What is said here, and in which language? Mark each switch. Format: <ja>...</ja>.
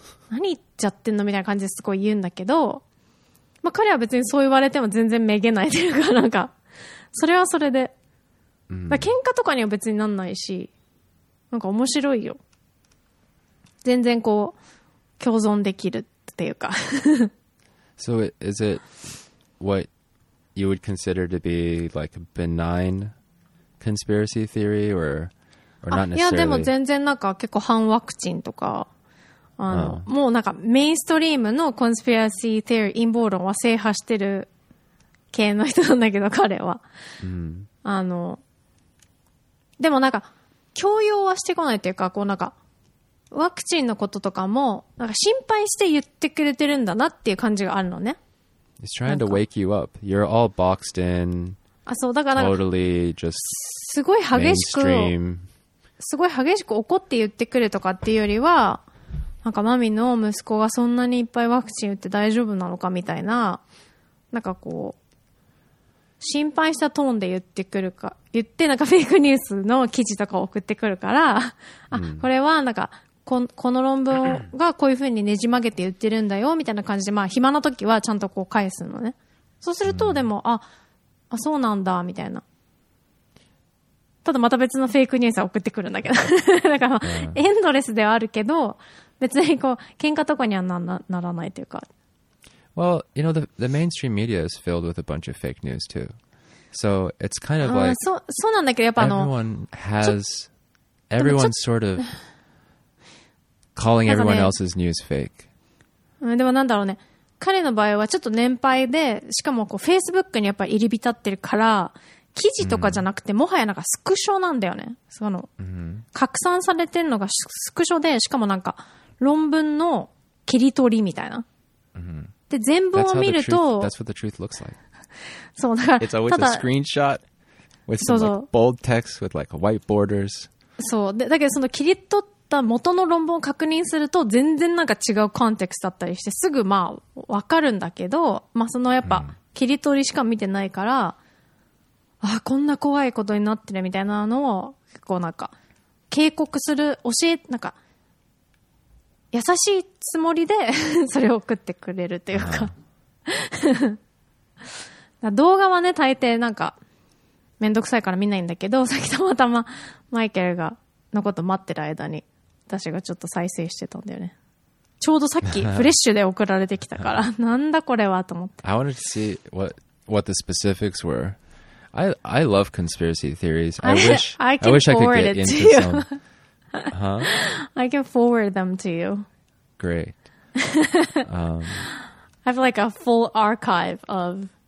<ja>何言っちゃってんのみたいな感じですごい言うんだけど、まあ彼は別にそう言われても全然めげないというか、なんか、それはそれで。だから喧嘩とかには別になんないし、なんか面白いよ。全然こう、共存できるっていうか。</ja> <en>So, is it what you would consider to be like a benign conspiracy theory or not necessarily?</en> <ja>いや、でも全然なんか結構反ワクチンとか、もうなんかメインストリームのコンスピラシーティーリー陰謀論は制覇してる系の人なんだけど、彼は。でもなんか、強要はしてこないというか、こうなんか、ワクチンのこととかも、なんか心配して言ってくれてるんだなっていう感じがあるのね。</ja> <en>It's trying to wake you up. You're all boxed in.</en> <ja>あ、そう、だからなんか、</ja> <en>totally just</en> <ja>すごい激しく、</ja> <en>mainstream.</en> <ja>すごい激しく怒って言ってくるとかっていうよりは、なんかマミの息子がそんなにいっぱいワクチン打って大丈夫なのかみたいな、なんかこう、心配したトーンで言ってくるか、言ってなんかフェイクニュースの記事とかを送ってくるから、あ、これはなんか、この論文がこういう風にねじ曲げて言ってるんだよ、みたいな感じで、まあ暇な時はちゃんとこう返すのね。そうすると、でも、あ、そうなんだ、みたいな。ただまた別のフェイクニュースを送ってくるんだけど。だから、まあ、エンドレスではあるけど、別にこう、喧嘩とかにはならないというか。</ja> <en>Well, you know, the mainstream media is filled with a bunch of fake news too. So it's kind of like</en> <ja>そうなんだけど、やっぱ</ja> <en>Everyone has everyone sort of calling everyone else's news fake.</en> <ja>でもなんだろうね。彼の場合はちょっと年配で、しかもこう Facebook にやっぱ入り浸ってるから、記事とかじゃなくて、もはやなんかスクショなんだよね。その、拡散されてるのがスクショで、しかもなんか論文の切り取りみたいな。で、全文を見ると、</ja> <en>that's what the truth looks like.</en> <ja>そう、だから、</ja> <en>it's always a screenshot with some like, bold text with like white borders.</en> <ja>そう、で、だけどその切り取った元の論文を確認すると、全然なんか違うコンテクストだったりして、すぐまあ、わかるんだけど、まあそのやっぱ、切り取りしか見てないから、あ、こんな怖いことになってるみたいなのを、結構なんか、警告する、教え、なんか、優しいつもりでそれを送ってくれるというか、だから動画はね大抵なんかめんどくさいから見ないんだけど、さっきたまたまマイケルがのこと待ってる間に私がちょっと再生してたんだよね。ちょうどさっきフレッシュで送られてきたからなんだこれはと思って。</ja> <en>I wanted to see what the specifics were. I love conspiracy theories. I wish I could get into some. Huh? I can forward them to you. Great. I have like a full archive of</en>